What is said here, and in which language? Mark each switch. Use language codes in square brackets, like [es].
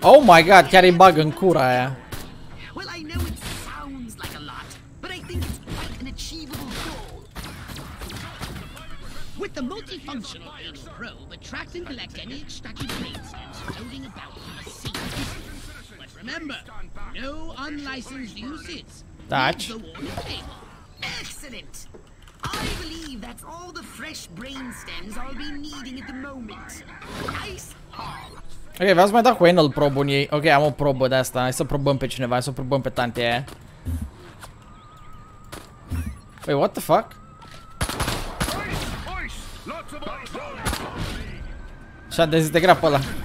[ro] Oh my god, chiar îi bag în cură aia. [en] Well, I know it sounds like a lot, but I think it's quite an achievable goal. With the multifunctional anal probe, attract and collect any extracted brain stems floating about in the sea. But remember, no unlicensed uses. Touch. Excellent. I believe that's all the fresh brain stems I'll be needing at the moment. Nice haul. [ro] Ok, v-ați mai dat cu anal probe unii. Ok, am o probă de asta. Hai să probăm pe cineva, hai să probăm pe tante aia. [en] Wait, what the fuck? [ro] Și-a dezintegrat pe ăla.